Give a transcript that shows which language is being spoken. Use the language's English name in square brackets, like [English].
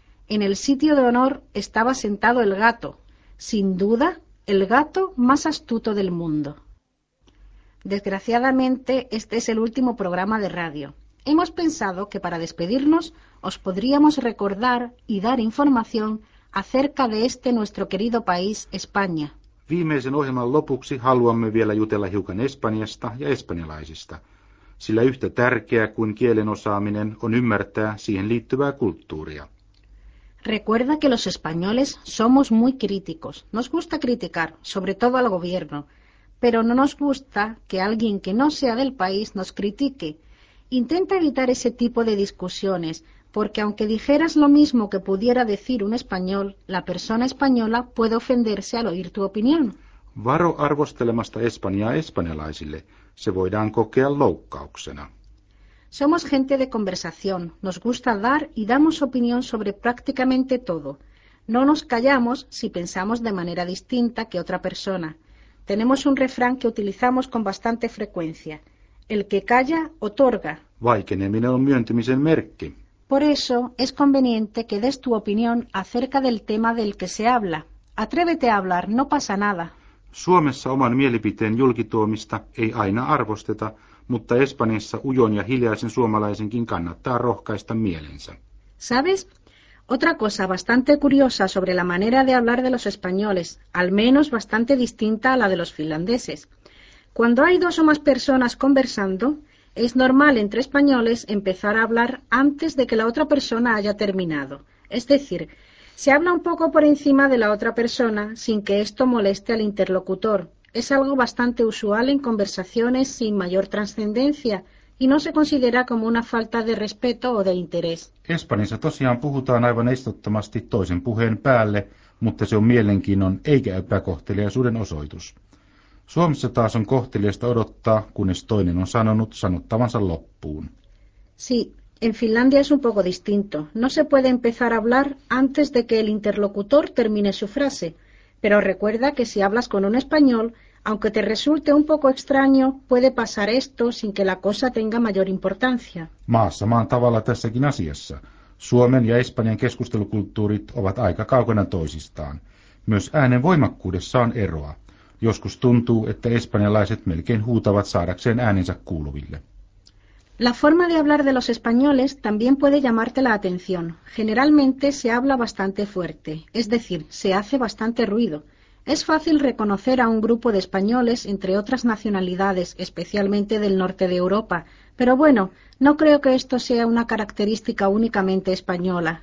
[Spanish] En el sitio de honor estaba sentado el gato, sin duda el gato más astuto del mundo. Desgraciadamente, este es el último programa de radio. Hemos pensado que para despedirnos os podríamos recordar y dar información acerca de este nuestro querido país, España. [Finnish] Viimeisen ohjelman lopuksi haluamme vielä jutella hiukan Espanjasta ja espanjalaisista, sillä yhtä tärkeää kuin kielen osaaminen on ymmärtää siihen liittyvää kulttuuria. [Spanish] Recuerda que los españoles somos muy críticos. Nos gusta criticar, sobre todo al gobierno, pero no nos gusta que alguien que no sea del país nos critique. Intenta evitar ese tipo de discusiones, porque aunque dijeras lo mismo que pudiera decir un español, la persona española puede ofenderse al oír tu opinión. [Finnish] Varo arvostelemasta Espanjaa espanjalaisille. Se voidaan kokea loukkauksena. [Spanish] Somos gente de conversación. Nos gusta dar y damos opinión sobre prácticamente todo. No nos callamos si pensamos de manera distinta que otra persona. Tenemos un refrán que utilizamos con bastante frecuencia. El que calla, otorga. [Finnish] Vaikeneminen on myöntymisen merkki. [Spanish] Por eso, es conveniente que des tu opinión acerca del tema del que se habla. Atrévete a hablar, no pasa nada. [Finnish] Suomessa oman mielipiteen julkituomista ei aina arvosteta, mutta Espanjassa ujon ja hiljaisen suomalaisenkin kannattaa rohkaista mielensä. [Spanish] ¿Sabes? Otra cosa bastante curiosa sobre la manera de hablar de los españoles, al menos bastante distinta a la de los finlandeses. Cuando hay dos o más personas conversando, es normal entre españoles empezar a hablar antes de que la otra persona haya terminado. Es decir, se habla un poco por encima de la otra persona sin que esto moleste al interlocutor. Es algo bastante usual en conversaciones sin mayor trascendencia y no se considera como una falta de respeto o de interés. [Finnish] Espanjassa tosiaan puhutaan aivan estottomasti toisen puheen päälle, mutta se on mielenkiinnon eikä epäkohteliaisuuden osoitus. Suomessa taas on kohteliasta odottaa, kunnes toinen on sanonut sanottavansa loppuun. [Spanish] Sí, en Finlandia es un poco distinto. No se puede empezar a hablar antes de que el interlocutor termine su frase. Pero recuerda que si hablas con un español, aunque te resulte un poco extraño, puede pasar esto sin que la cosa tenga mayor importancia. [Finnish] Maassa maan tavalla tässäkin asiassa. Suomen ja Espanjan keskustelukulttuurit ovat aika kaukana toisistaan. Myös äänen voimakkuudessa on eroa. Joskus tuntuu, että espanjalaiset melkein huutavat saadakseen äänensä kuuluville. [Spanish] La forma de hablar de los españoles también puede llamarte la atención. Generalmente se habla bastante fuerte, es decir, se hace bastante ruido. Es fácil reconocer a un grupo de españoles entre otras nacionalidades, especialmente del norte de Europa. Pero bueno, no creo que esto sea una característica únicamente española.